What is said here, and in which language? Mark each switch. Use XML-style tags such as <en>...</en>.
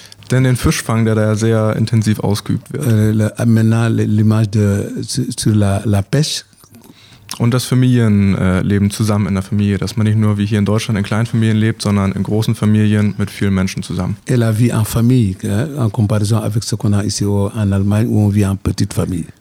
<de>Denn den Fischfang, der da ja sehr intensiv ausgeübt wird.</de> <fr>Maintenant, l'image de la pêche.</fr> <de>Und das Familienleben zusammen in der Familie, dass man nicht nur wie hier in Deutschland in kleinen Familien lebt, sondern in großen Familien mit vielen Menschen zusammen.</de> <fr>Et la vie en famille, en comparaison avec ce qu'on a ici en Allemagne, où on vit en petite famille.</fr>